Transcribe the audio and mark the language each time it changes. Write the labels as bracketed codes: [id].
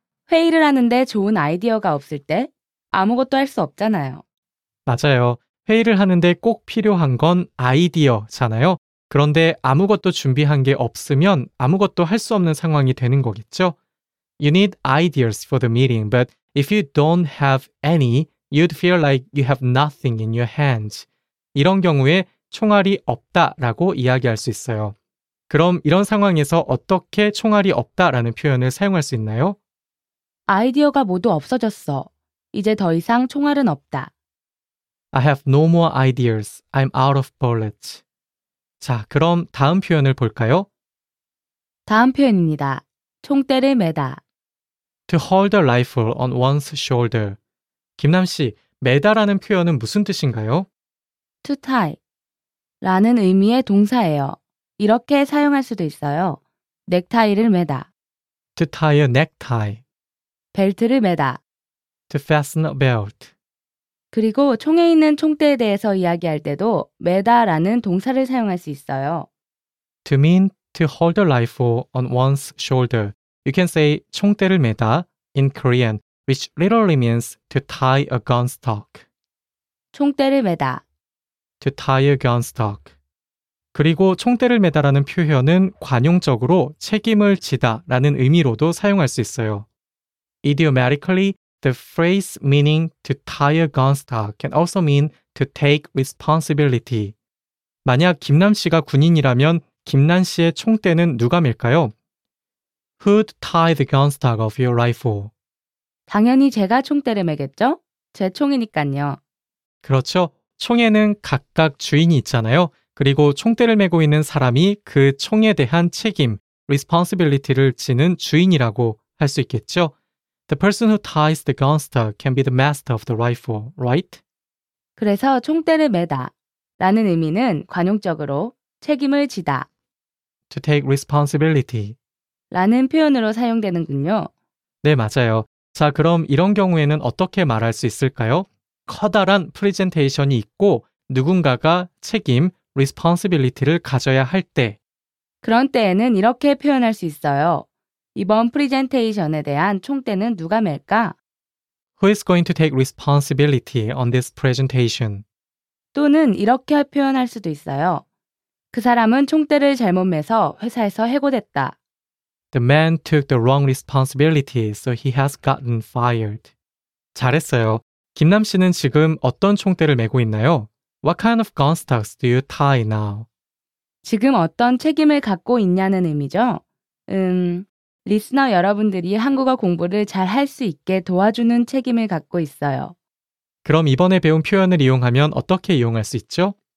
[ko] 회의를 하는데 좋은 아이디어가 없을 때 아무것도 할 수 없잖아요. 맞아요. 회의를 하는데 꼭 필요한 건 아이디어잖아요. 그런데 아무것도 준비한 게 없으면 아무것도 할 수 없는 상황이 되는 거겠죠? [en] You need ideas for the meeting, but if you don't have any, you'd feel like you have nothing in your hands. [ko] 이런 경우에 총알이 없다라고 이야기할 수 있어요. 그럼 이런 상황에서 어떻게 총알이 없다라는 표현을 사용할 수 있나요? 아이디어가 모두 없어졌어. 이제 더 이상 총알은 없다. [en] I have no more ideas. I'm out of bullets. [ko] 자, 그럼 다음 표현을 볼까요? 다음 표현입니다. 총대를 메다. [en] To hold a rifle on one's shoulder. [ko] 김남 씨, 메다라는 표현은 무슨 뜻인가요? [en] To tie [ko] 라는 의미의 동사예요. 이렇게 사용할 수도 있어요. 넥타이를 메다. [en] To tie a necktie. [ko] 벨트를 메다. [en] To fasten a belt. [ko] 그리고 총에 있는 총대에 대해서 이야기할 때도 메다 라는 동사를 사용할 수 있어요. [en] To mean to hold a rifle on one's shoulder. You can say 총대를 메다 in Korean, which literally means to tie a gun stock. [ko] 총대를 메다. [en] To tie a gun stock. [ko] 그리고 총대를 메다 라는 표현은 관용적으로 책임을 지다 라는 의미로도 사용할 수 있어요. [en] Idiomatically, the phrase meaning to tie a gun stock can also mean to take responsibility. [ko] 만약 김남 씨가 군인이라면 김남 씨의 총대는 누가 밀까요? [en] Who'd tie the gun stock of your rifle? [ko] 당연히 제가 총대를 매겠죠? 제 총이니까요. 그렇죠. 총에는 각각 주인이 있잖아요. 그리고 총대를 메고 있는 사람이 그 총에 대한 책임, responsibility를 지는 주인이라고 할 수 있겠죠? [en] The person who ties the gunster can be the master of the rifle, right? [ko] 그래서 총대를 메다 라는 의미는 관용적으로 책임을 지다 [en] To take responsibility [ko] 라는 표현으로 사용되는군요. 네, 맞아요. 자, 그럼 이런 경우에는 어떻게 말할 수 있을까요? 커다란 프레젠테이션이 있고 누군가가 책임, responsibility를 가져야 할 때 그런 때에는 이렇게 표현할 수 있어요. 이번 프레젠테이션에 대한 총대는 누가 멜까? [en] Who is going to take responsibility on this presentation? [ko] 또는 이렇게 표현할 수도 있어요. 그 사람은 총대를 잘못 매서 회사에서 해고됐다. [en] The man took the wrong responsibility, so he has gotten fired. [ko] 잘했어요. 김남 씨는 지금 어떤 총대를 메고 있나요? [en] What kind of gun stocks do you tie now? [ko] 지금 어떤 책임을 갖고 있냐는 의미죠? 리스너 여러분들이 한국어 공부를 잘 할 수 있게 도와주는 책임을 갖고 있어요. 그럼 이번에 배운 표현을 이용하면 어떻게 이용할 수 있죠?